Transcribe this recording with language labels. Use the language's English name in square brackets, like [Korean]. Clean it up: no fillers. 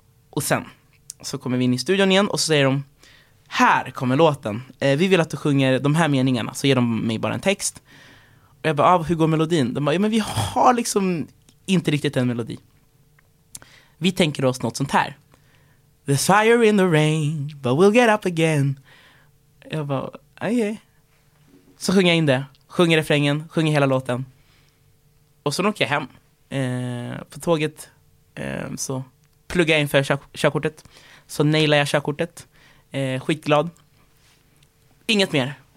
[Swedish] Och sen så kommer vi in i studion igen och så säger de, här kommer låten. Vi vill att du sjunger de här meningarna. Så ger de mig bara en text. Och jag bara, ah, hur går melodin? De bara, ja, men vi har liksom inte riktigt en melodi. Vi tänker oss något sånt här. [English] There's fire in the rain, but we'll get up again. [Swedish] Jag bara, okej. Så sjunger jag in det. Sjunger refrängen, sjunger hela låten. Och så åker jag hem. På tåget så plugga inför körkortet. Så nailade jag körkortet. Skitglad. Inget mer.